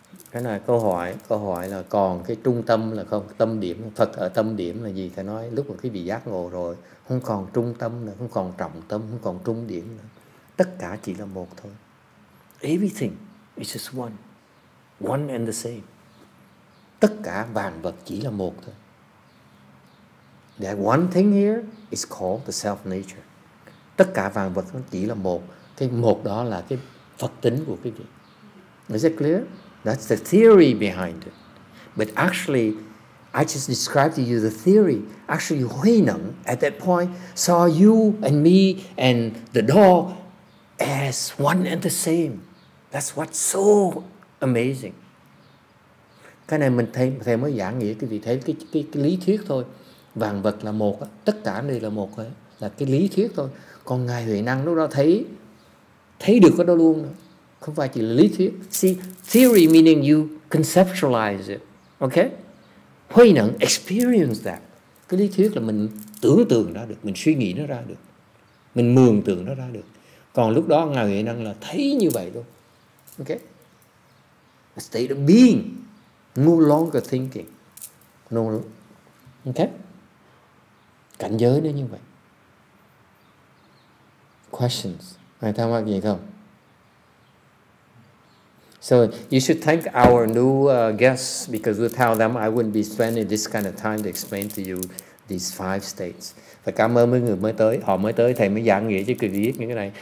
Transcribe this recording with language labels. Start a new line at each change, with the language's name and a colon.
Vietnamese: Cái này câu hỏi là còn cái trung tâm là không, tâm điểm, Phật ở tâm điểm là gì? Thầy nói lúc mà cái vị giác ngộ rồi, không còn trung tâm nữa, không còn trọng tâm, không còn trung điểm nữa. Tất cả chỉ là một thôi.
English: Everything is just one. One and the same.
Vietnamese: Tất cả vạn vật chỉ là một thôi.
English: That one thing here is called the self nature.
Vietnamese: Tất cả vạn vật nó chỉ là một. Cái một đó là cái Phật tính của cái gì?
English: Is it clear? That's the theory behind it. But actually, I just described to you the theory. Actually, HuiNeng at that point saw you and me and the dog as one and the same. That's what's so amazing.
Vietnamese: Cái này mình thấy, thầy mới giảng nghĩa cái gì, thấy cái lý thuyết thôi. Vạn vật là một, tất cả đều là một, là cái lý thuyết thôi. Còn Ngài HuiNeng lúc đó thấy được cái đó luôn. Không phải chỉ là lý thuyết.
English: See, theory meaning you conceptualize it. Okay? HuiNeng experience that.
Vietnamese: Cái lý thuyết là mình tưởng tượng ra được, mình suy nghĩ nó ra được. Mình mường tượng nó ra được. Còn lúc đó Ngài HuiNeng là thấy như vậy luôn.
English: Okay? A state of being. No longer thinking. No. Okay?
Vietnamese: Cảnh giới nó như vậy.
English: Questions?
Vietnamese: Ai thắc mắc gì không?
English: So you should thank our new guests, because without them, I wouldn't be spending this kind of time to explain to you these five states.
Vietnamese: Phải cảm ơn mấy người mới tới. Họ mới tới, thầy mới giảng nghĩa chứ cứ viết những cái này.